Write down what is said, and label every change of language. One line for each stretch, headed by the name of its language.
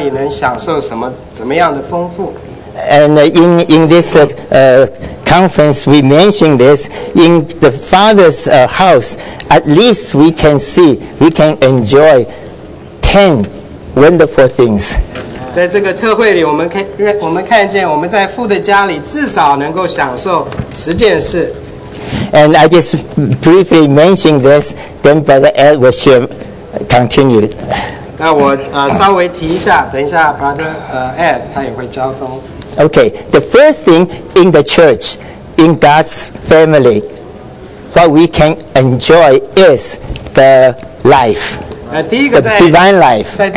Chinese: 所以今天我不会讲太久，我是想分享一下我们在父的家里能享受什么怎么样的丰富。
English: And in this conference, we mentioned this, in the Father's house, at least we can see, we can enjoy 10 wonderful things.
Chinese: 在这个特会里，我们看见我们在父的家里至少能够享受十件事。
English: And I just briefly mentioned this, then Brother Ed will share, continue.
Chinese: 那我稍微提一下，等一下 Brother Ed 他也会交通。
English: Okay, the first thing in the church, in God's family, what we can enjoy is the life, the divine life.